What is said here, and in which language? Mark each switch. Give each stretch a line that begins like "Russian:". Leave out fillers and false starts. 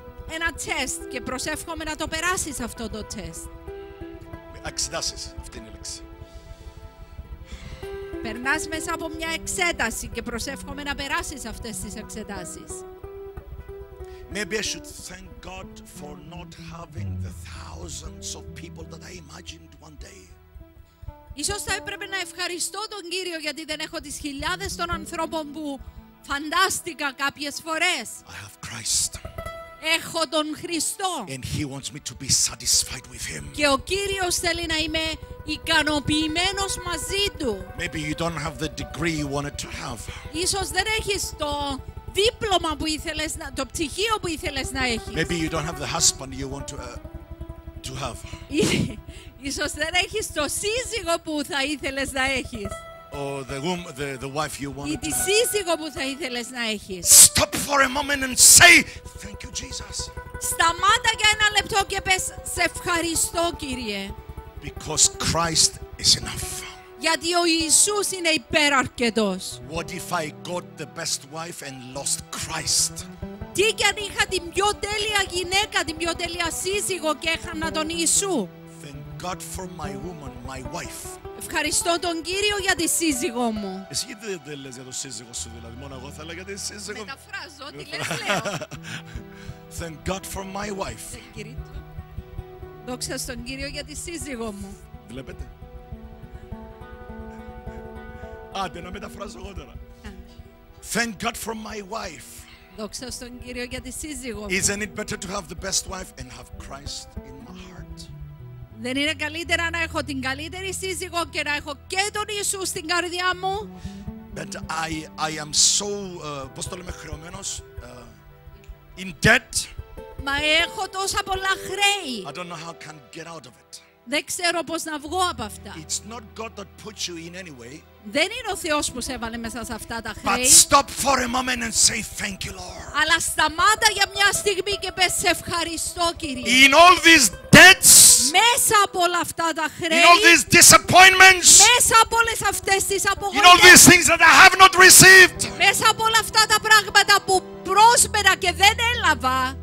Greek: Ένα τεστ και προσεύχομαι να το περάσεις αυτό το τεστ. Εξετάσεις, αυτή είναι η λέξη. Περνάς μέσα από μια εξέταση και προσεύχομαι να περάσεις αυτές τις εξετάσεις.
English: Maybe I should thank God for not having the thousands of people that I imagined one day.
Greek: Ίσως θα έπρεπε να ευχαριστώ τον Κύριο γιατί δεν έχω τις χιλιάδες των ανθρώπων που φαντάστηκα κάποιες φορές.
English: I have Christ.
Greek: Έχω τον Χριστό.
English: And he wants me to be satisfied with him.
Greek: Και ο Κύριος θέλει να είμαι ικανοποιημένος μαζί του.
English: Maybe you don't have the degree you wanted to have.
Greek: Ίσως δεν έχεις το δίπλωμα που ήθελες να, το πτυχίο που ήθελες να έχεις.
English: Maybe you don't have the husband you want to have.
Greek: Ίσως δεν έχεις το σύζυγο που θα ήθελες να έχεις.
English: Or the wife you wanted.
Greek: Ή τη σύζυγο που θα ήθελες να έχεις.
English: Stop for a moment and say thank you, Jesus.
Greek: Σταμάτα για ένα λεπτό και πες σε ευχαριστώ, Κύριε.
English: Because Christ is enough.
Greek: Γιατί ο Ιησούς είναι υπεραρκετός.
English: What if I got the best wife and lost Christ?
Greek: Τι κι αν είχα την πιο τέλεια γυναίκα, την πιο τέλεια σύζυγο και έχανα τον Ιησού.
English: Thank God for my woman, my wife.
Greek: Ευχαριστώ τον Κύριο για τη σύζυγό μου. Εσύ γιατί δεν λες για το σύζυγό σου δηλαδή, μόνο εγώ θα λέω για τη σύζυγό μου. Μεταφράζω, τι λες λέω.
English: Thank God for my wife.
Greek: Δόξα στον Κύριο για τη σύζυγό μου. Βλέπετε. Άντε να μεταφράζω εγώ τώρα.
English: Thank God for my wife.
Greek: Δόξα στον Κύριο για τη σύζυγό μου.
English: Isn't it better to have the best wife and have Christ in my heart?
Greek: Δεν είναι καλύτερα να έχω την καλύτερη σύζυγο και να έχω και τον Ιησού στην καρδιά μου?
English: But I am so,
Greek: πώς το λέμε, χρεωμένος,
English: in debt.
Greek: Μα έχω τόσα πολλά χρέη.
English: I don't know how I can get out of it.
Greek: Δεν ξέρω πώς να βγω από αυτά.
English: It's not God that put you in anyway.
Greek: Δεν είναι ο Θεός που σε έβαλε μέσα σε αυτά τα χρέη.
English: But stop for a moment and say thank you, Lord.
Greek: Αλλά σταμάτα για μια στιγμή και πες σε ευχαριστώ, Κύριε.
English: In all these debts.
Greek: Μέσα από όλα αυτά τα χρέη.
English: In all these disappointments.
Greek: Μέσα από όλες αυτές τις απογοητεύσεις.
English: In all these things that I have not received.
Greek: Μέσα από όλα αυτά τα πράγματα που πρόσπερα και δεν έλαβα.